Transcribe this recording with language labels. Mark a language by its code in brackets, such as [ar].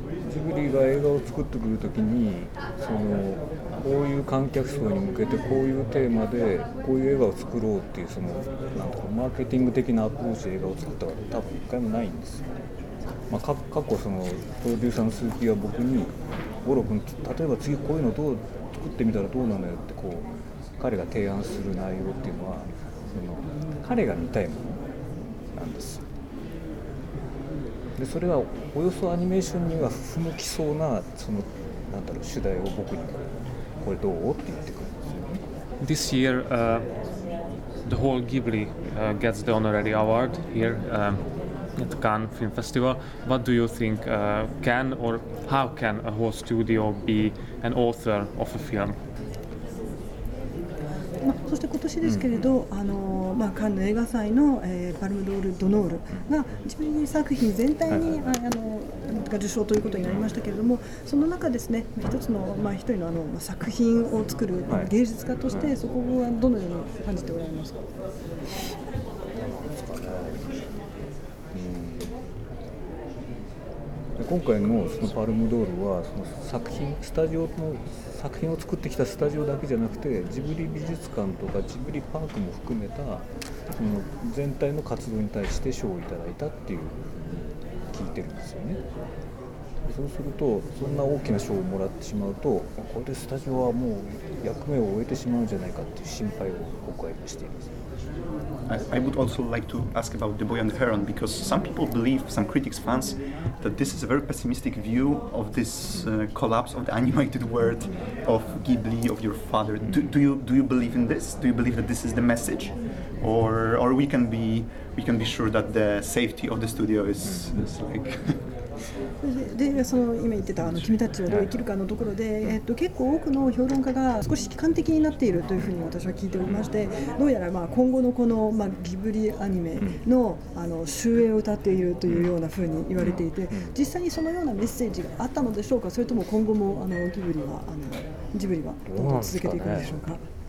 [ja] ジブリが映画を作ってくるときに、そのこういう観客層に向けてこういうテーマでこういう映画を作ろうっていう、そのなんかマーケティング的なアプローチで映画を作ったわけは多分一回もないんですよね。まあ、過去そのプロデューサーの鈴木が僕に、五郎君、例えば次こういうのどう作ってみたらどうなのよって、こう彼が提案する内容っていうのは、その彼が見たいものなんですよ。でそれはおよそアニメーションには不向きそうな、そのなんだろう、主題を僕にこれどうって言ってくるんですよね。 [en] This year, the whole Ghibli gets the honorary award here at Cannes Film Festival. What do you think can or how can a whole studio be an author of a film? [ja] まあ、そして今年ですけれど、うん、あのまあ、カンヌ映画祭の、パルムドール・ドノールが自分の作品全体に、はい、あのが受賞ということになりましたけれども、その中ですね、一つの、まあ、一人 の、 あの作品を作る、はい、芸術家としてそこはどのように感じておられますか。今回 の、 そのパルムドールはその作品スタジオの作品を作ってきたスタジオだけじゃなくて、ジブリ美術館とかジブリパークも含めたその全体の活動に対して賞をいただいたっていうふうに聞いてるんですよね。そうするとそんな大きな賞をもらってしまうと、これでスタジオはもう役目を終えてしまうんじゃないかっていう心配を僕は今しています。 [en] I would also like to ask about The Boy and the Heron, because some people believe, some critics, fans, that this is a very pessimistic view of this collapse of the animated world of Ghibli, of your father. Do you believe in this? Do you believe that this is the message? Or we can be sure that the safety of the studio is like... [ja] でその今言ってたあの君たちはどう生きるかのところで、結構多くの評論家が少し悲観的になっているというふうに私は聞いておりまして、どうやらまあ今後のこの、まあ、ギブリアニメ の、 あの終焉を歌っているというようなふうに言われていて、実際にそのようなメッセージがあったのでしょうか、それとも今後もあのギブリはあのジブリはどんどん続けていくんでしょうか。